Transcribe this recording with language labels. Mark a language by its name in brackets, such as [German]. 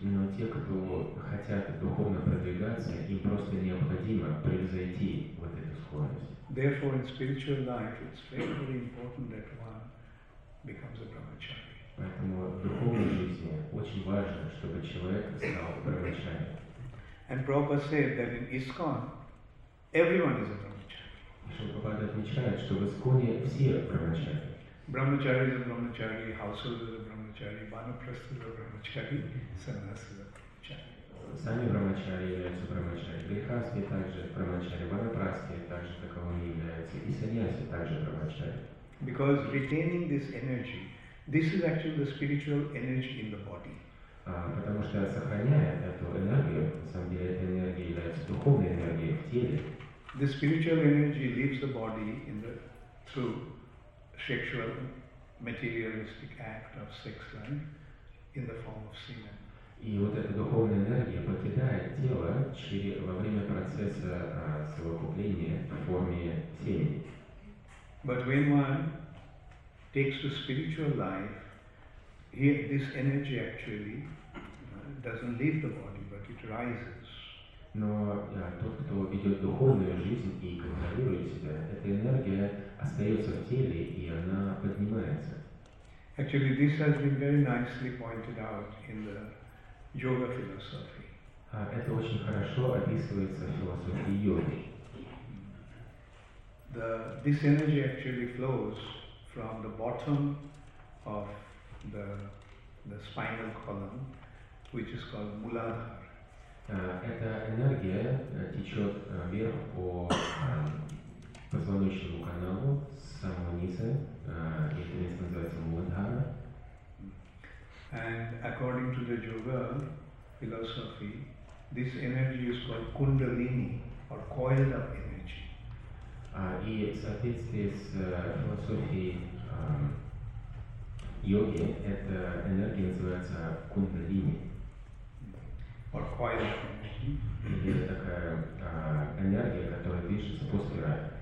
[Russian] Но те, кто хотят духовно продвигаться, им просто необходимо превзойти вот эту склонность. [English] Therefore, in spiritual life, it's very important that one becomes a brahmacharya. [Russian] Поэтому в духовной жизни очень важно, чтобы человек стал брахмачари. [English] And Prabhupada said that in ISKCON everyone is a brahmachari. [Russian] Шри Прабхупада отмечает, что в ИСККОНе все брахмачари. [English] Brahmachari is a brahmachari, household is a brahmachari, vanaprastha is a brahmachari, sannyas is a brahmachari. [Russian] Сами брахмачари являются брахмачари. Грихасхи также брахмачари, ванапрасхи также таковыми являются, и саньяси также брахмачари. [English] Because retaining this energy, this is actually the spiritual energy in the body. [Russian] Потому что сохраняя эту энергию, на самом деле эта энергия является духовной энергией в теле. [English] The spiritual energy leaves the body in the through sexual materialistic act of sex life in the form of semen. [Russian] И вот эта духовная энергия покидает тело во время процесса совокупления в форме семени. [English] But when one takes to spiritual life, he, this energy actually doesn't leave the body, but it rises. [Russian] Но тот, кто ведет духовную жизнь и контролирует себя, эта энергия остается в теле, и она поднимается. [English] Actually, this has been very nicely pointed out in the yoga philosophy. [Russian] Это очень хорошо описывается в философии йоги. [English] This energy actually flows from the bottom of the spinal column, which is called Muladhara. [Russian] Эта энергия течет вверх по позвоночному каналу с самого низа, и это место называется Muladhara. [English] And according to the yoga philosophy, this energy is called Kundalini, or coiled up energy. [Russian] И в соответствии с философией йоги, эта энергия называется кундалини. [English] Or coil of energy. [Russian] Это такая энергия, которая движется по спирали.